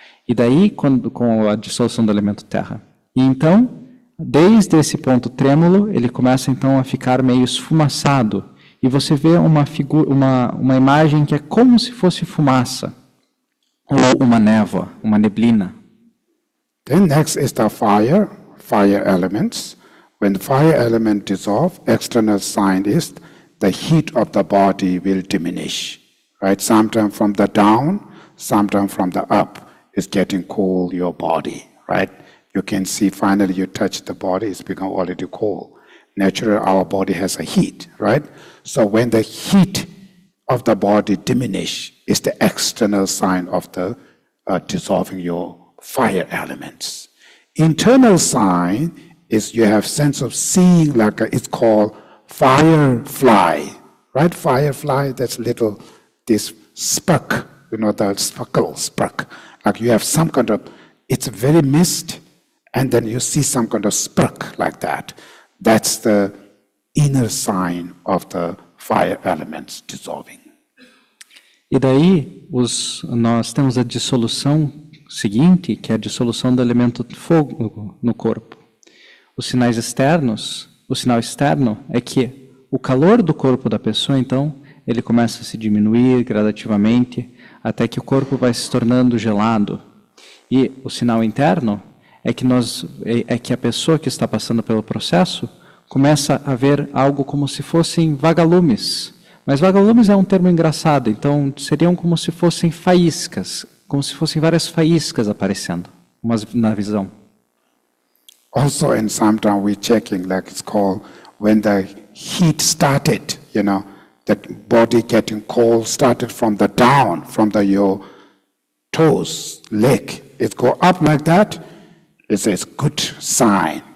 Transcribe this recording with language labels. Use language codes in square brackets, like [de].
[pt] E daí, com a dissolução do elemento terra. E então, desde esse ponto trêmulo, ele começa então a ficar meio esfumaçado. E você vê uma figura, uma imagem que é como se fosse fumaça, ou uma névoa, uma neblina. [en] Then next is the fire, fire elements. When fire element dissolve, external sign is the heat of the body will diminish, right? Sometime from the down, sometime from the up, it's getting cool your body, right? You can see finally you touch the body, it's become already cool. Naturally, our body has a heat, right? So when the heat of the body diminish, it's the external sign of the dissolving your fire elements. Internal sign is you have sense of seeing, like it's called firefly, right? Firefly, that's little, this spark, you know, that sparkle, spark. Like you have some kind of, it's very mist, and then you see some kind of spark like that. That's the inner sign of the fire elements dissolving. [pt] E daí nós temos a dissolução seguinte, que é a dissolução do elemento fogo no corpo. Os sinais externos, o sinal externo é que o calor do corpo da pessoa, então, ele começa a se diminuir gradativamente, até que o corpo vai se tornando gelado. E o sinal interno é que que a pessoa que está passando pelo processo começa a ver algo como se fossem vagalumes. Mas vagalumes é um termo engraçado, então seriam como se fossem faíscas, como se fossem várias faíscas aparecendo, umas na visão. [en] Also, in some time we're checking, like it's called when the heat started, you know, the body getting cold started from the down, from the your toes, leg. It go up like that. It says good sign.